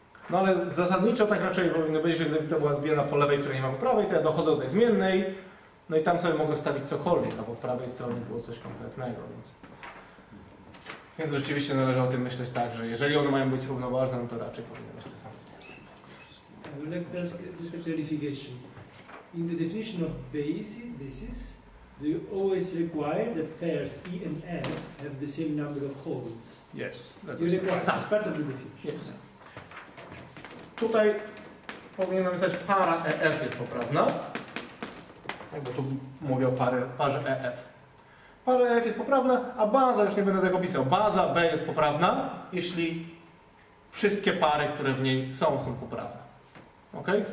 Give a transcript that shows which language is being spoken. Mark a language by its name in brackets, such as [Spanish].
[Polish] No ale zasadniczo tak raczej powinno być, że gdyby to była zmiana po lewej, której nie ma po prawej, to ja dochodzę do tej zmiennej, no i tam sobie mogę stawić cokolwiek, a po prawej stronie było coś konkretnego, więc... Więc rzeczywiście należy o tym myśleć tak, że jeżeli one mają być równoważne, no to raczej powinny być te same zmiany. [English] I would like to ask just a clarification. In the definition of basis, do you always require that pairs E and F have the same number of holes? Yes. That's part of the definition. Yes. [Polish] Tutaj powinienem napisać para EF jest poprawna. Bo tu mówię o parze EF. Para EF jest poprawna, a baza, już nie będę tego pisał, baza B jest poprawna, jeśli wszystkie pary, które w niej są, są poprawne. OK.